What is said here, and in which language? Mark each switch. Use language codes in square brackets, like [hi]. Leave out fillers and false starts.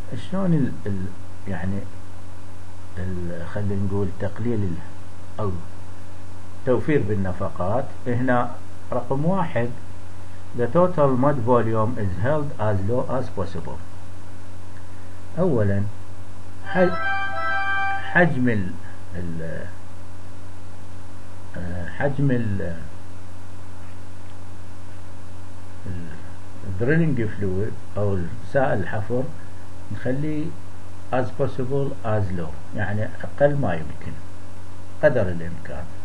[ar] شلون يعني خلينا نقول تقليل او توفير بالنفقات؟ هنا رقم واحد [en] the total mud volume is held as low as possible. [ar] أولا حجم ال حجم ال drilling fluid أو سائل الحفر نخليه [en] as possible as low [ar] يعني أقل ما يمكن قدر الإمكان.